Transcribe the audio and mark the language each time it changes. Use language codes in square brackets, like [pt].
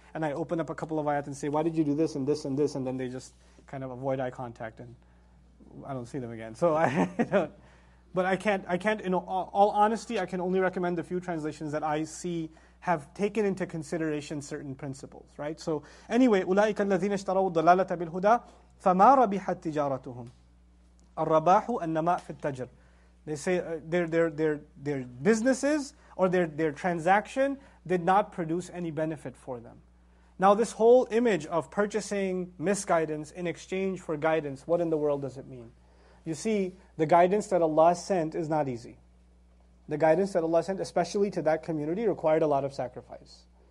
[en] And I open up a couple of ayat and say, why did you do this and this and this? And then they just kind of avoid eye contact and I don't see them again. So I can't, in all honesty, I can only recommend the few translations that I see have taken into consideration certain principles, right? So anyway, [ar] أُولَٰئِكَ الَّذِينَ اشْتَرَوُوا الضَّلَالَةَ بِالْهُدَىٰ فَمَا رَبِحَتْ تِجَارَتُهُمْ الرَّبَاحُ أَنَّمَا فِي التَّجْرِ. [en] They say their businesses or their transaction did not produce any benefit for them. Now this whole image of purchasing misguidance in exchange for guidance, what in the world does it mean? You see, the guidance that Allah sent is not easy. The guidance that Allah sent, especially to that community, required a lot of sacrifice.